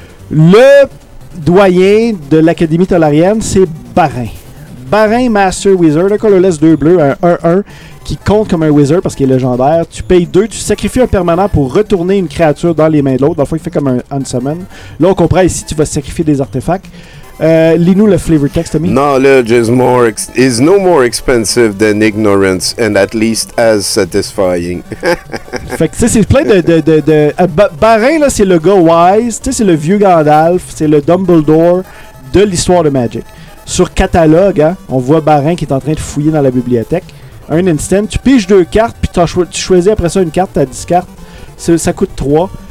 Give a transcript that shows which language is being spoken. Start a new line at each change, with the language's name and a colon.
French: Le doyen de l'Académie Tolarienne, c'est Barin. Barin Master Wizard, un colorless 2 bleu, un 1-1, qui compte comme un wizard parce qu'il est légendaire. Tu payes 2, tu sacrifies un permanent pour retourner une créature dans les mains de l'autre. Dans le fond, il fait comme un unsummon. Là, on comprend ici, tu vas sacrifier des artefacts. Lis-nous le flavor text, Tommy.
English: Knowledge is no more expensive than ignorance and at least as satisfying.
French: Fait que, tu sais, c'est plein de Barin, là, c'est le gars wise. Tu sais, c'est le vieux Gandalf. C'est le Dumbledore de l'histoire de Magic. Sur catalogue, hein, on voit Barin qui est en train de fouiller dans la bibliothèque. Un instant, tu piges deux cartes, puis tu choisis après ça une carte, t'as 10 cartes. Ça coûte 3.